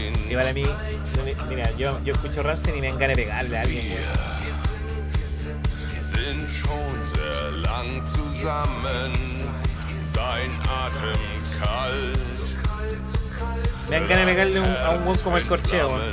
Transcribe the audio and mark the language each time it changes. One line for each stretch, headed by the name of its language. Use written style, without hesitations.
Spanish: Y para mí, mira, yo escucho Rammstein y me dan ganas de pegarle a alguien.
German: Wir sind schon sehr lang zusammen. Dein Atem kalt.
Spanish: Me dan ganas de pegarle a un buen como el Corcheo.